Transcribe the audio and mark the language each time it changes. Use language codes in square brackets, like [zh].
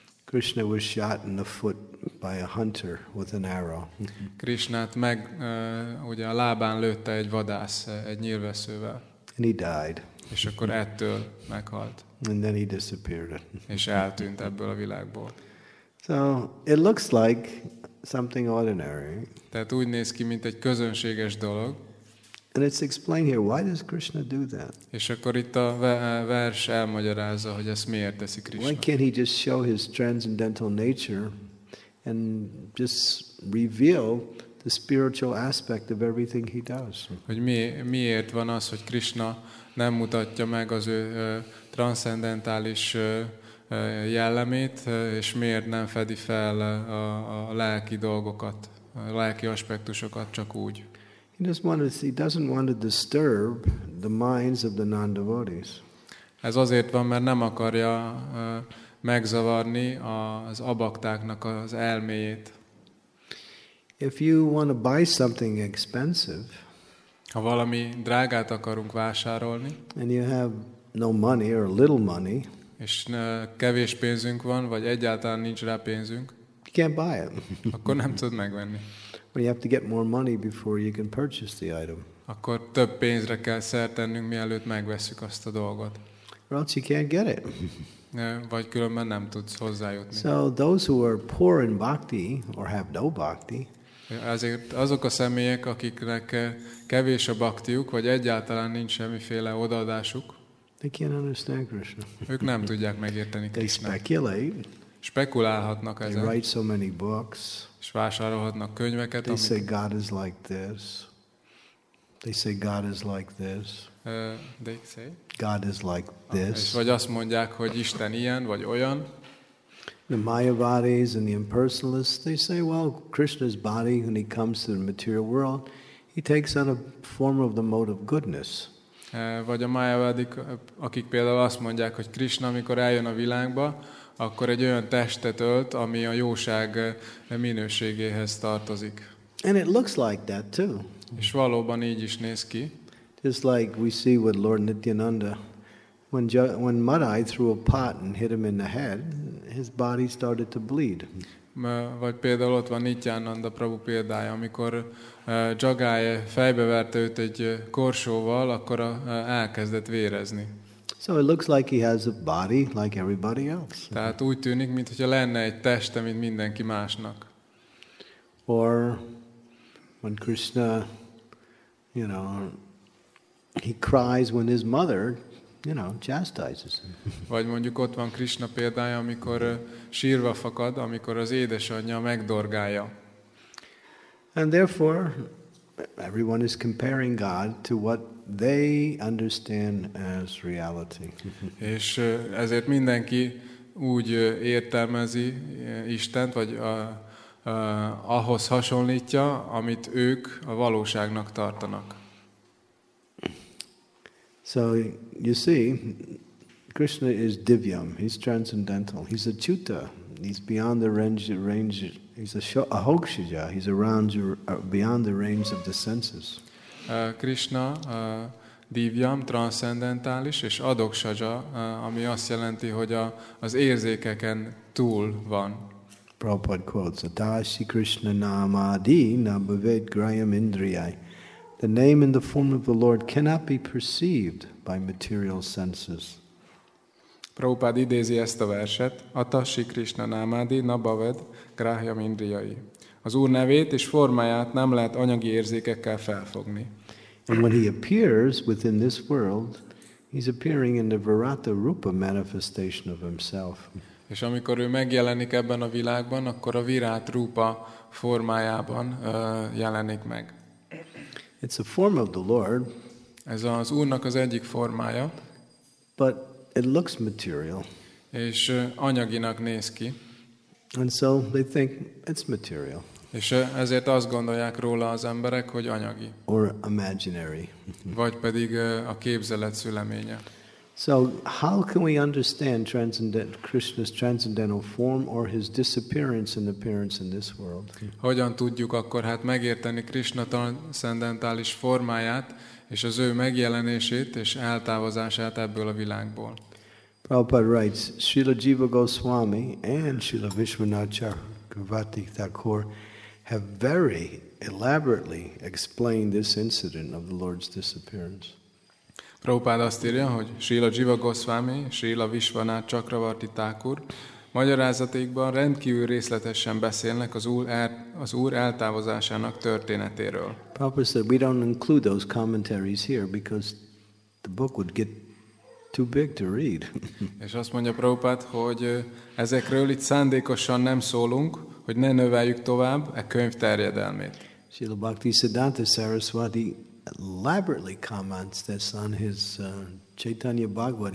[en] Krishna was shot in the foot by a hunter with an arrow. [hu] Krishnát meg ugye a lábán lőtte egy vadász egy nyílveszővel. [en] And he died. [hu] És akkor ettől meghalt. [en] And then he disappeared. [hu] És eltűnt ebből a világból. [en] So it looks like something ordinary. [hu] Tehát úgy néz ki, mint egy közönséges dolog. [en] And it's explained here, why does Krishna do that? [hu] És akkor itt a vers elmagyarázza, hogy ezt miért teszi Krishna. [en] Why can't he just show his transcendental nature and just reveal the spiritual aspect of everything he does? [hu] Hogy miért van az, hogy Krishna nem mutatja meg az ő transzcendentális jellemét, és miért nem fedi fel a lelki dolgokat, a lelki aspektusokat csak úgy. [en] He doesn't want to disturb the minds of the non-devotees. [hu] Ez azért van, mert nem akarja megzavarni az abaktáknak az elméjét. [en] If you want to buy something expensive, [hu] ha valami drágát akarunk vásárolni, [en] and you have no money or little money, [hu] és kevés pénzünk van, vagy egyáltalán nincs rá pénzünk, [en] you can't buy it. [hu] Akkor nem tud megvenni. [en] Well, you have to get more money before you can purchase the item. [hu] Akkor több pénzre kell szert tennünk, mielőtt megveszük azt a dolgot. [en] Or else you can't get it. [hu] Vagy különben nem tudsz hozzájutni. [en] So those who are poor in bhakti or have no bhakti, [hu] azért azok a személyek, akiknek kevés a bhaktiuk, vagy egyáltalán nincs semmiféle odaadásuk, [en] they can't understand Krishna. [hu] Ők nem tudják megérteni Krishna. [en] They speculate. [hu] Spekulálhatnak ezen. [en] They write so many books. [hu] És vásárolhatnak könyveket. [en] They say God is like this. They say God is like this. They say God is like this. [hu] És vagy azt mondják, hogy Isten ilyen vagy olyan. [en] The Mayavadis and the impersonalists, they say, well, Krishna's body, when he comes to the material world, he takes on a form of the mode of goodness. [hu] Vagy a Mayavadik, akik például azt mondják, hogy Krishna, amikor eljön a világba, akkor egy olyan testet ölt, ami a jóság minőségéhez tartozik. [en] And it looks like that too. [hu] És valóban így is néz ki. [en] Just like we see with Lord Nityananda, when Madai threw a pot and hit him in the head, his body started to bleed. [hu] Vagy például ott van Nityananda Prabhu példája, amikor Jagai fejbe verte őt egy korsóval, akkor elkezdett vérezni. [en] So it looks like he has a body like everybody else. [hu] Tehát úgy tűnik, mintha lenne egy teste, mint mindenki másnak. [en] Or when Krishna, you know, he cries when his mother, you know, chastises him. [hu] Vagy mondjuk ott van Krishna példája, amikor sírva fakad, amikor az édesanyja megdorgálja. [en] And therefore, everyone is comparing God to what they understand as reality. [hu] És ezért mindenki úgy értelmezi Istent, vagy ahhoz hasonlítja, amit ők a valóságnak tartanak. [en] So you see, Krishna is divyam. He's transcendental. He's a chuta. He's beyond the range. He's a hokshija. He's around beyond the range of the senses. [hu] Krishna divyam, transzendentális, és adoksaja, ami azt jelenti, hogy az érzékeken túl van. [en] Prabhupada quotes, [sa] Adashi Krishna namadi nabhaved grayam indriyai. [en] The name and the form of the Lord cannot be perceived by material senses. [hu] Prabhupada idézi ezt a verset, [sa] Adashi Krishna namadi nabhaved grayam indriyai. [hu] Az Úr nevét és formáját nem lehet anyagi érzékekkel felfogni. [en] And when he appears within this world, he's appearing in the Virata Rupa manifestation of himself. [hu] És amikor ő megjelenik ebben a világban, akkor a Virat Rupa formájában jelenik meg. [en] It's a form of the Lord. [hu] Ez az Úrnak az egyik formája. [en] But it looks material. [hu] És anyaginak néz ki. [en] And so they think it's material. [hu] És ezért azt gondolják róla az emberek, hogy anyagi. [en] Or imaginary. [hu] Vagy pedig a képzelet szüleménye. [en] So how can we understand Krishna's transcendental form or his disappearance and appearance in this world? [hu] Hogyan tudjuk akkor hát megérteni Krishna transzendentális formáját és az ő megjelenését és eltávozását ebből a világból? [en] Prabhupada writes, Srila Jiva Goswami and Srila Vishwanath Chakravarti Thakur have very elaborately explained this incident of the Lord's disappearance. [hu] Prabhupada azt írja, hogy Srila Jiva Goswami, Srila Vishwanath Chakravarti Thakur magyarázatékban rendkívül részletesen beszélnek az Úr eltávozásának történetéről. [en] Prabhupada said, we don't include those commentaries here because the book would get too big to read. [hu] És azt mondja Prabhupada, hogy ezekről itt szándékosan nem szólunk, hogy ne növeljük tovább a könyv terjedelmét. [en] Srila Bhaktisiddhanta Saraswati elaborately comments this on his Chaitanya Bhagavat.